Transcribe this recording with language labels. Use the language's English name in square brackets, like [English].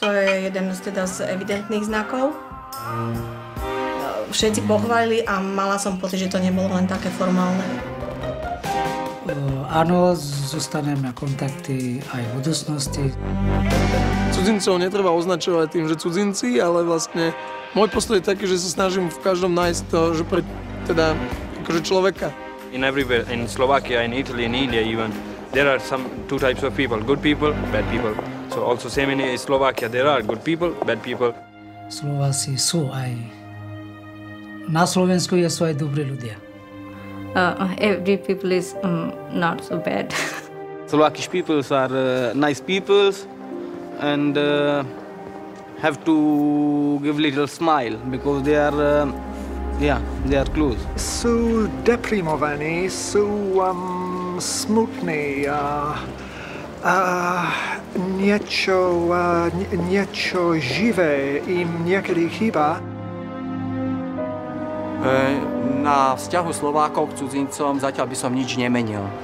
[Slovak] To je jeden z, teda, z evidentných znakov. Všetci pochválili a mala som pocit, že to nebolo len také formálne. Áno, zostaneme kontakty aj v budúcnosti. Cudzincov netreba označovať tým, že cudzinci, ale vlastne môj postoj je taký, že sa snažím v každom nájsť to, že pre, teda, akože človeka. [English] In everywhere, in Slovakia, in Italy, in India even, there are some two types of people, good people, bad people. So also same in Slovakia, there are good people, bad people. [Slovak] Slováci sú aj... Na Slovensku je sú aj dobrí ľudia. [English] Every people is not so bad. Slovakish people are nice people and have to give little smile because they are, they are close. [Slovak] Sú deprimovaní, sú smutní, niečo živé im niekedy chýba. Na vzťahu Slovákov k cudzincom zatiaľ by som nič nemenil.